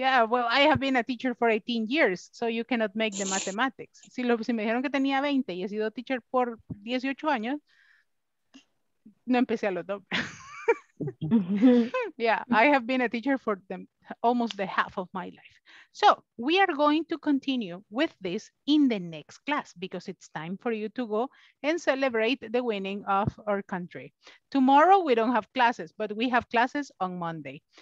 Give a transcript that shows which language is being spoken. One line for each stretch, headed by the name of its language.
English: Yeah, well, I have been a teacher for 18 years, so you cannot make the mathematics.
Spanish: Si, lo, si me dijeron que tenía 20 y he sido teacher por 18 años, no empecé a los dos.
English: Yeah, I have been a teacher for them almost the half of my life. So we are going to continue with this in the next class because it's time for you to go and celebrate the winning of our country. Tomorrow we don't have classes, but we have classes on Monday.